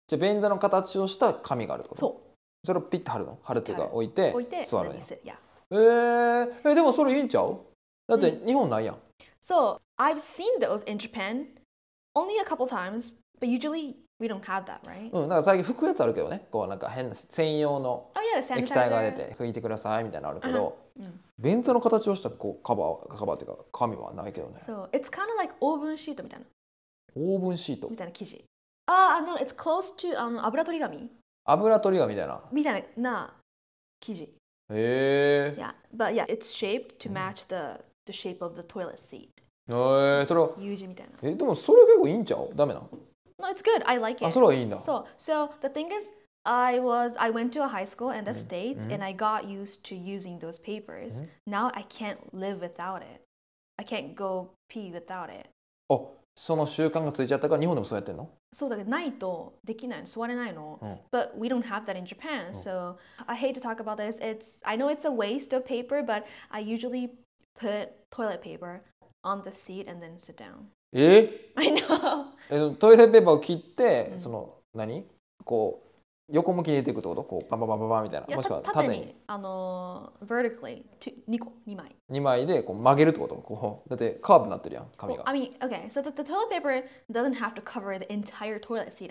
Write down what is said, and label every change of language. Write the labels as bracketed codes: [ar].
[ja] じゃあ便座の形をした紙があるってこと。そう。それをピッて貼るの、貼るというか置いて座るの。 [en] Yeah. [ja] でもそれいいんちゃう？だって日本ないやん。 [en] So, I've seen those in Japan only a couple times, but usually we don't have that, right? [ja] うん、なんか最近拭くやつあるけどね。こうなんか変な専用の液体が出て拭いてくださいみたいなのあるけど、便座の形をしたこうカバーというか紙はないけどね。 [en] So, it's kind of like オーブンシート [ja] みたいな。オーブンシートみたいな生地。 [en] No, it's close to 油取り紙。 [ja] 油取り紙みたいな。みたいな生地。へぇ。 [en] Yeah, but yeah, it's shaped to match the shape of the toilet seat. [ja] それは。U 字みたいな。でもそれ結構いいんちゃう？ダメな。 [en] No, it's good. I like it. [ja] あ、それはいいんだ。 [en] So, the thing is, I went to a high school in the States, and I got used to using those papers. Now, I can't live without it. I can't go pee without it. [ja] あ、その習慣がついちゃったから日本でもそうやってんの？そうだけどないとできないの、座れないの。 [en] But we don't have that in Japan, so I hate to talk about this. I know it's a waste of paper, but I usually put toilet paper on the seat and then sit down. え？ I know. [ja] トイレペーパーを切って、その何？こう横向きに入れていくってこと？こうパンパンパンパンパンみたいな。もしくは縦に。vertically, 2枚。 2枚でこう曲げるってこと？こうだってカーブになってるやん、紙が。 [en] Well, I mean, okay, so the toilet paper doesn't have to cover the entire toilet seat.